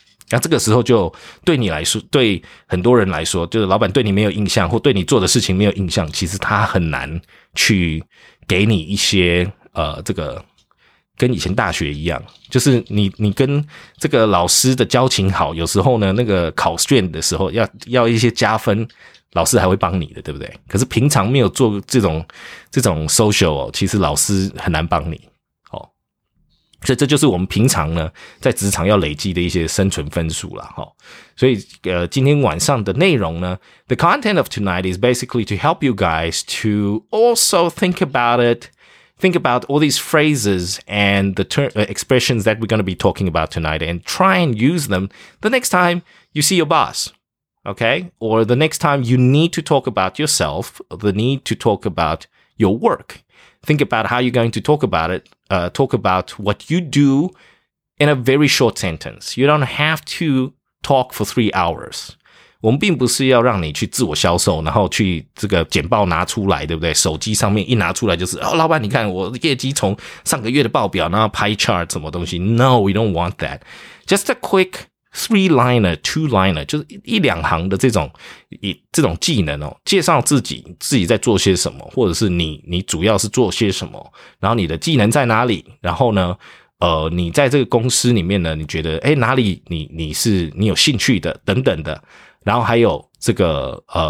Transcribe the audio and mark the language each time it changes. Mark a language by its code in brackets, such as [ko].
[zh] 那这个时候就对你来说，对很多人来说，就是老板对你没有印象，或对你做的事情没有印象，其实他很难去给你一些这个跟以前大学一样，就是你跟这个老师的交情好，有时候呢那个考卷的时候要一些加分，老师还会帮你的，对不对？可是平常没有做这种 social 哦，其实老师很难帮你。所以这就是我们平常呢在职场要累积的一些生存分数啦齁。所以今天晚上的内容呢 [en] ,the content of tonight is basically to help you guys to also think about it, think about all these phrases and the expressions that we're going to be talking about tonight and try and use them the next time you see your boss, okay? Or the next time you need to talk about yourself, the need to talk about your work. Think about how you're going to talk about it. Talk about what you do in a very short sentence. You don't have to talk for 3 hours. [zh] 我们并不是要让你去自我销售，然后去这个简报拿出来，对不对？手机上面一拿出来就是，哦，老板，你看我业绩从上个月的报表，然后pie chart 什么东西。 [en] No, we don't want that. Just a quick three-liner, two-liner, [zh] 就是一两行的这种技能哦，介绍自己在做些什么，或者是你主要是做些什么，然后你的技能在哪里，然后呢你在这个公司里面呢，你觉得哪里你有兴趣的等等的，然后还有这个